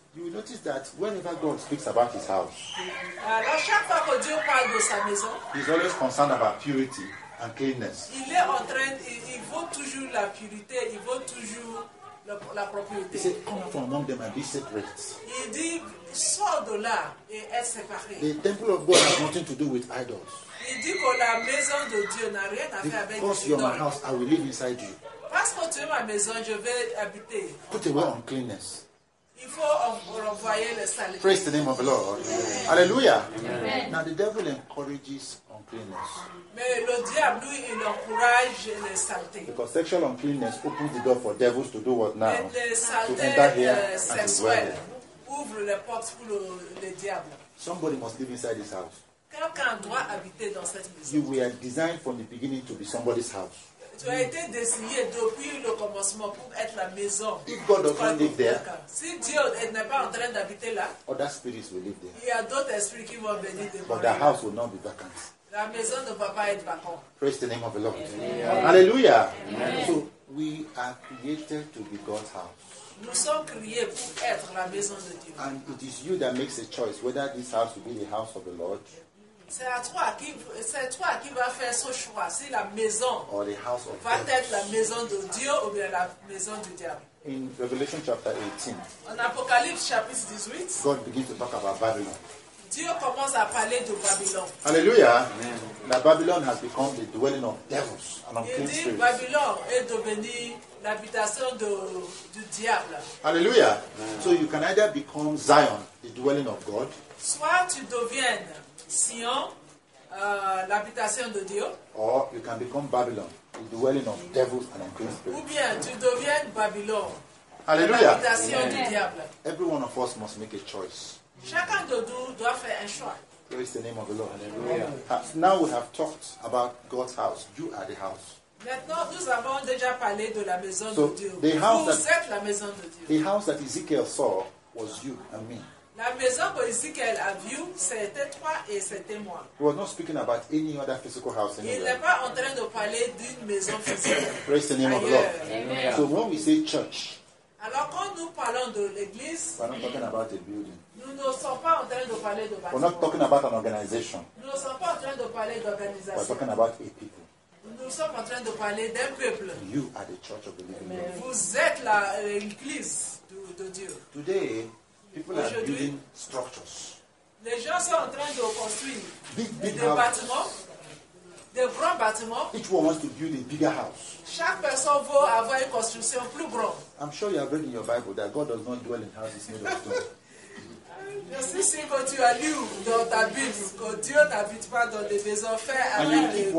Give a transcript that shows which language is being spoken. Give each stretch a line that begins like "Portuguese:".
English: You will notice that whenever God speaks about his house,
French: à chaque fois que Dieu parle de sa maison,
English: he's always concerned about purity and cleanness.
French: Il est en train, il veut toujours la purité, il veut toujours la propriété.
English: He said, come from among them and be separate.
French: Il dit, sors de là et être séparé.
English: The temple of God has nothing to do with idols.
French: Il dit que la maison de Dieu n'a rien à faire avec
English: Because you're my house, I will live inside you.
French: Parce que tu es ma maison, je vais habiter.
English: Put away uncleanness.
French: Il faut renvoyer les saletés.
English: Praise the name of the Lord. Amen. Hallelujah. Amen. Now the devil encourages uncleanness.
French: Mais le diable, lui, il encourage les saletés.
English: Because sexual uncleanness opens the door for devils to do what now?
French: Les saletés sexuelles ouvrent les portes pour le diable.
English: Somebody must live inside this house.
French: Quelqu'un doit habiter dans cette maison.
English: You were designed from the beginning to be somebody's house.
French: Tu as été désigné depuis le commencement pour être la maison.
English: If God doesn't live there,
French: si Dieu n'est pas en train d'habiter là,
English: other spirits will live there.
French: Il y a d'autres esprits qui vont venir de
English: But the house will not be vacant.
French: La maison ne va pas être vacante.
English: Praise the name of the Lord. Amen. Hallelujah. Amen. So we are created to be God's house.
French: Nous sommes créés pour être la maison de Dieu.
English: And it is you that makes a choice whether this house will be the house of the Lord.
French: C'est toi qui va faire ce choix. Si la maison va être la maison de Dieu ou bien la maison du diable.
English: In Revelation chapter 18.
French: En Apocalypse chapitre 18.
English: God begins to talk about Babylon.
French: Dieu commence à parler de Babylon.
English: Hallelujah. Amen. Now Babylon has become the dwelling of devils and unclean spirits.
French: Il dit Babylon est devenu l'habitation du diable.
English: Hallelujah. Amen. So you can either become Zion, the dwelling of God.
French: Soit tu deviens Sion, l'habitation de Dieu.
English: Or you can become Babylon, the dwelling of devils and unclean spirits.
French: Ou bien tu deviens Babylon. Alléluia. L'habitation du diable.
English: Every one of us must make a choice.
French: Chacun de nous doit faire un choix.
English: Praise the name of the Lord. Hallelujah. Now we have talked about God's house. You are the house.
French: Maintenant, nous avons déjà parlé de la maison
English: so
French: de Dieu.
English: The house
French: vous
English: that,
French: êtes la maison de Dieu.
English: The house that Ezekiel saw was you and me.
French: La maison que Ezekiel a vue, c'était toi et c'était moi.
English: He was not speaking about any other physical house anywhere.
French: Il n'est pas en train de parler d'une maison physique.
English: Praise the name of the Lord. Amen. So when we say church,
French: alors quand nous parlons de l'église,
English: we're not talking about a building.
French: Nous ne sommes pas en train de parler de bâtiment.
English: We're not talking about an organization.
French: Nous ne sommes pas en train de parler d'organisation.
English: We're talking about a people.
French: Nous sommes en train de parler d'un peuple.
English: You are the church of the living God.
French: Vous êtes la église de Dieu.
English: Today, people are building structures.
French: Les gens sont en train de construire
English: big
French: bâtiments, des grands bâtiments.
English: Each one wants to build a bigger house.
French: Chaque personne veut avoir une construction plus grande.
English: I'm sure you have read in your Bible that God does not dwell in houses made of stone.
French: Je suis sûr que tu as lu dans ta Bible que Dieu n'habite pas dans des maisons faites avec des